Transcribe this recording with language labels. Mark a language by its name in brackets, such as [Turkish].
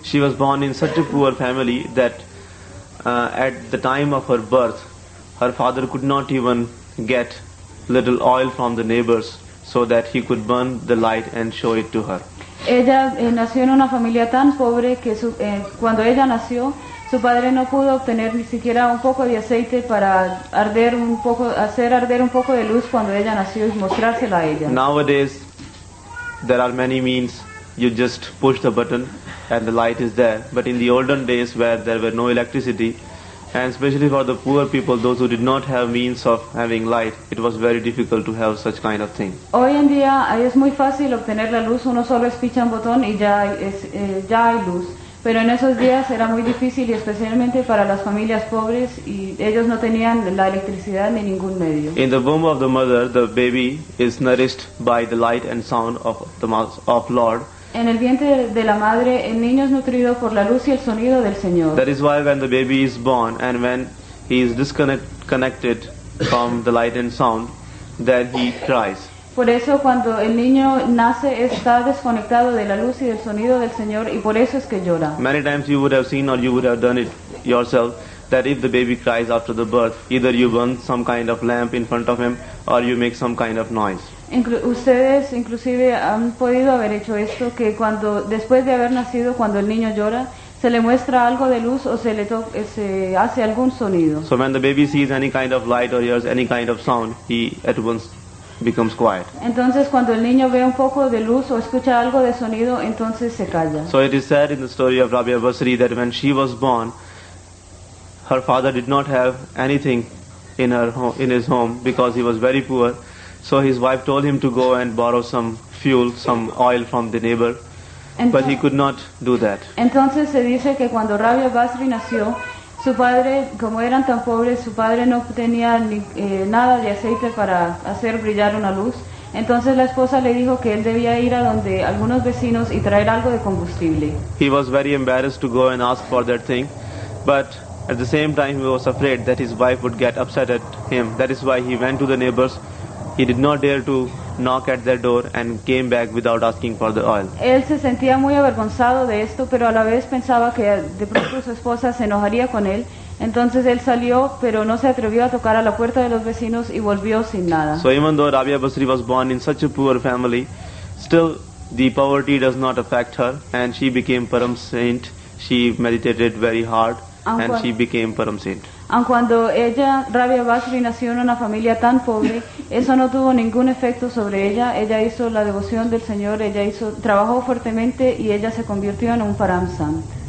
[English] she was born in such a poor family that at the time of her birth her father could not even get little oil from the neighbors so that he could burn the light and show it to her [Spanish] ella nació en una familia tan pobre que cuando ella nació su padre no pudo obtener ni siquiera un poco de aceite para hacer arder un poco de luz cuando ella nació y mostrársela a ella [English] nowadays there are many means you just push the button and the light is there but in the olden days where there were no electricity and especially for the poor people those who did not have means of having light it was very difficult to have such kind of thing [Spanish] hoy en día es muy fácil obtener la luz uno solo es pichar un botón y ya hay luz pero en esos días era muy difícil y especialmente para las familias pobres y ellos no tenían la electricidad ni ningún medio [English] in the womb of the mother the baby is nourished by the light and sound of the mouth of lord [Spanish] En el vientre de la madre el niño es nutrido por la luz y el sonido del Señor. [English] That is why when the baby is born and when he is disconnected from the light and sound then he cries. [Spanish] Por eso cuando el niño nace está desconectado de la luz y del sonido del Señor y por eso es que llora. [English] Many times you would have seen or you would have done it yourself that if the baby cries after the birth either you burn some kind of lamp in front of him or you make some kind of noise. [Spanish] Ustedes inclusive han podido haber hecho esto, que cuando después de haber nacido, cuando el niño llora, se le muestra algo de luz o se hace algún sonido. [English] So when the baby sees any kind of light or hears any kind of sound, he at once becomes quiet. [Spanish] Entonces cuando el niño ve un poco de luz o escucha algo de sonido, entonces se calla. [English] So it is said in the story of Rabia Basri that when she was born, her father did not have anything in his home because he was very poor. So his wife told him to go and borrow some fuel, some oil from the neighbor, but he could not do that. [Spanish] Entonces se dice que cuando Rabia Basri nació, su padre, como eran tan pobres, su padre no tenía nada de aceite para hacer brillar una luz. Entonces la esposa le dijo que él debía ir a donde algunos vecinos y traer algo de combustible. [English] He was very embarrassed to go and ask for that thing, but at the same time he was afraid that his wife would get upset at him. That is why he went to the neighbors. He did not dare to knock at their door and came back without asking for the oil. [Spanish] Él se sentía muy avergonzado de esto, pero a la vez pensaba que de pronto su esposa se enojaría con él. Entonces él salió, pero no se atrevió a tocar a la puerta de los vecinos y volvió sin nada. [English] So even though Rabia Basri was born in such a poor family, still the poverty does not affect her, and she became Param Saint. She meditated very hard. And she became Param Saint. [Spanish] Aun cuando ella, Rabia Basri, nació en una familia tan pobre, eso no tuvo ningún efecto sobre ella. Ella hizo la devoción del Señor, trabajó fuertemente y ella se convirtió en un Param Saint.